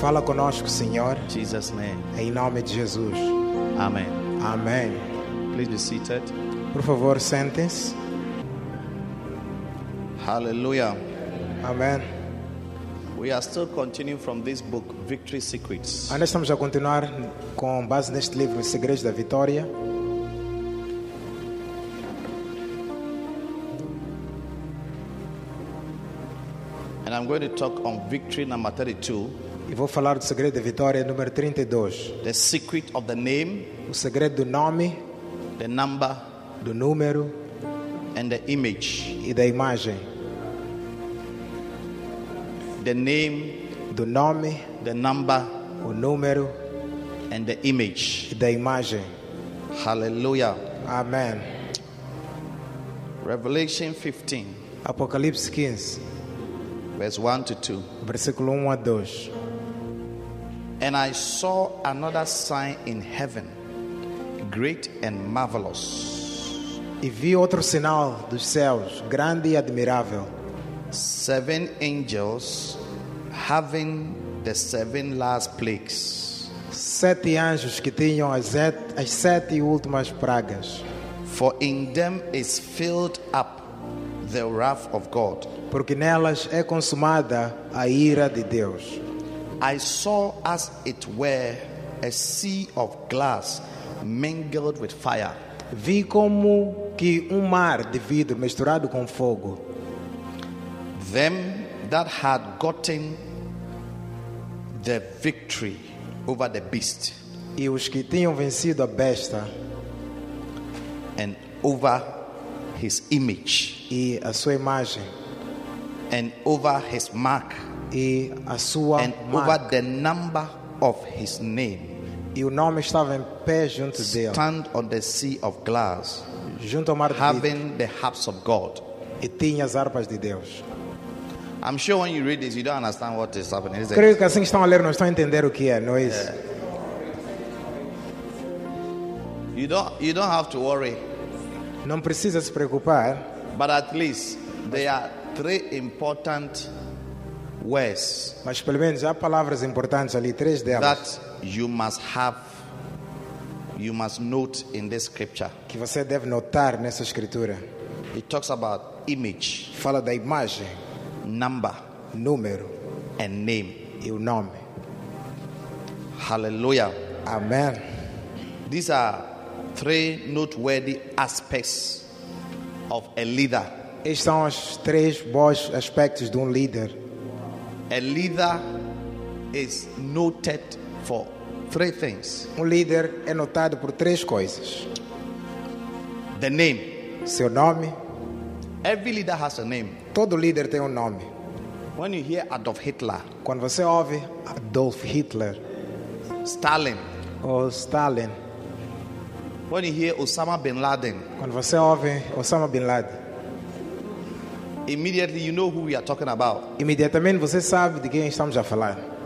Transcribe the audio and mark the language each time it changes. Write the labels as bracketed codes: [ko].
[pt] Fala conosco, Senhor. [en] In Jesus' name. [pt] Em nome de Jesus. [en] Amen. Amen. Please be seated. [pt] Por favor, sentem-se. [en] Hallelujah. Amen. We are still continuing from this book, Victory Secrets. [pt] Ainda estamos a continuar com base neste livro, Segredos da Vitória. [en] And I'm going to talk on victory number 32. [pt] E vou falar do segredo da vitória número 32. [en] The secret of the name. [pt] O segredo do nome. [en] The number. [pt] Do número. [en] And the image. [pt] E da imagem. [en] The name, [pt] do nome, [en] the number, [pt] o número, [en] and the image, [pt] da imagem. [en] Hallelujah. Amen. Revelation 15. [pt] Apocalipse 15. [en] Verse 1 to 2. [pt] Versículo 1 a 2. [en] And I saw another sign in heaven, great and marvelous. [pt] E vi outro sinal dos céus, grande e admirável. [en] Seven angels having the seven last plagues. [pt] Sete anjos que tinham as sete últimas pragas. [en] For in them is filled up the wrath of God. [pt] Porque nelas é consumada a ira de Deus. [en] I saw as it were a sea of glass mingled with fire. [pt] Vi como que mar de vidro misturado com fogo. [en] Them that had gotten the victory over the beast, [pt] e os que tinham vencido a besta, [en] and over his image, [pt] e a sua imagem, [en] and over his mark, [pt] e a sua [en] and [pt] marca, [en] and over the number of his name, [pt] e o nome estava em pé junto dele, [en] stand on the sea of glass, [pt] junto ao mar de vidro, [en] having the harps of God, [pt] e tinha as harpas de Deus. [en] I'm sure when you read this, you don't understand what is happening. Is it? [pt] Creio que assim estão a ler, não estão a entender o que é, não é isso? [en] You don't have to worry. [pt] Não precisa se preocupar. [en] But at least there are three important words. [pt] Mas pelo menos há palavras importantes ali, três delas. [en] That you must note in this scripture. [pt] Que você deve notar nessa escritura. [en] It talks about image. [pt] Fala da imagem. [en] Number, [pt] número, [en] and name, [pt] e o nome. [en] Hallelujah. Amen. These are three noteworthy aspects of a leader. [pt] Estes são os três bons aspectos de líder. [en] A leader is noted for three things. [pt] Líder é notado por três coisas. [en] The name, [pt] seu nome. [en] Every leader has a name. [pt] Todo líder tem nome. [en] When you hear Adolf Hitler, [pt] quando você ouve Adolf Hitler, [en] Stalin. When you hear Osama bin Laden, [pt] quando você ouve Osama bin Laden, [en] immediately you know who we are talking about. [pt] Imediatamente você sabe de quem estamos a falar.